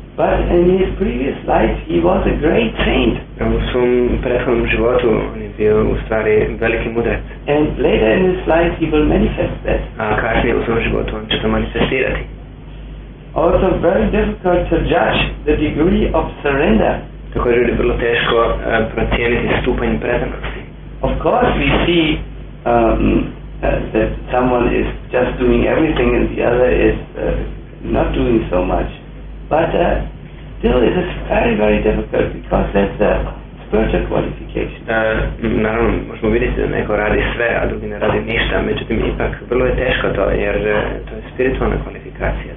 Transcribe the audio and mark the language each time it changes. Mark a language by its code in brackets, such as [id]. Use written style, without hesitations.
[en] But in his previous life he was a great saint. [hr] U svom prethodnom životu on je bio u stvari veliki mudrac. [en] And later in his life he will manifest that. [hr] A kasnije u svom životu on će to manifestirati. [en] Also very difficult to judge the degree of surrender. [hr] Također je vrlo teško procijeniti stupanj predanosti. [en] Of course we see that someone is just doing everything and the other is not doing so much. But still it is very, very difficult because that's a spiritual qualification. [hr] Naravno, možemo vidjeti da neko radi sve, a drugi ne radi ništa, međutim ipak vrlo je teško to, jer to je spiritualna kvalifikacija.